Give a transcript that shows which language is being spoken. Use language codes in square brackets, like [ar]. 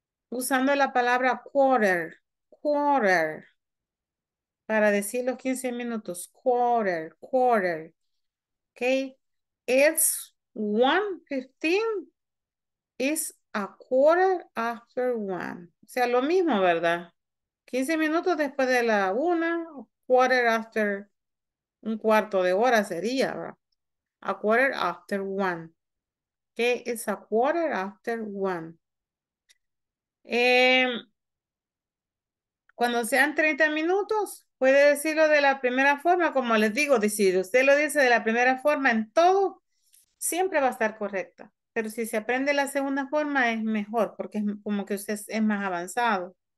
[es] usando la palabra quarter, quarter, para decir los 15 minutos, quarter, quarter, [en] ok, it's 1:15, it's a quarter after one, [es] o sea, lo mismo, ¿verdad? 15 minutos después de la una, [en] quarter after, [es] un cuarto de hora sería, ¿verdad? [en] A quarter after one, ok, it's a quarter after one. [es] Cuando sean 30 minutos, puede decirlo de la primera forma, como les digo, si usted lo dice de la primera forma en todo, siempre va a estar correcta. Pero si se aprende la segunda forma, es mejor, porque es como que usted es más avanzado.